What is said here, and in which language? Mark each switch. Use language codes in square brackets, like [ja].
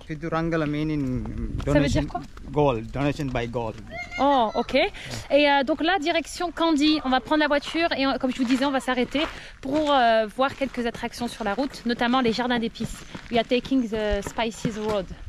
[en] Perulangala meaning donation. Gold, donation by gold. [fr] Oh, ok. Et donc là, direction Kandy. On va prendre la voiture et comme je vous disais, on va s'arrêter pour voir quelques attractions sur la route, notamment les jardins d'épices. [en] We are taking the spices road.